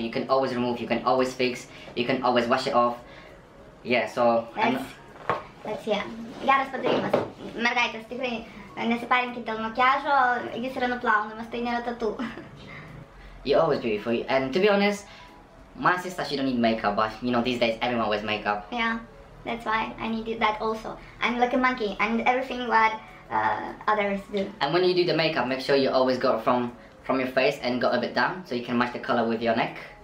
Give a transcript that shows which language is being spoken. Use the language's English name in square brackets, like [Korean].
[English] You can always remove, you can always fix, you can always wash it off. Yeah, so... Let's see. [Lithuanian] Geras patarimas. Mergaitės, tikrai nesiparinkit dėl makiažo, jis yra nuplaunamas, tai nėra tattoo. [English] You're always beautiful, and to be honest, my sister, she don't need makeup, but you know, these days everyone wears makeup. Yeah, that's why I needed that also. I'm like a monkey, and everything what others do. And when you do the makeup, make sure you always go from your face and go a bit down, so you can match the color with your neck.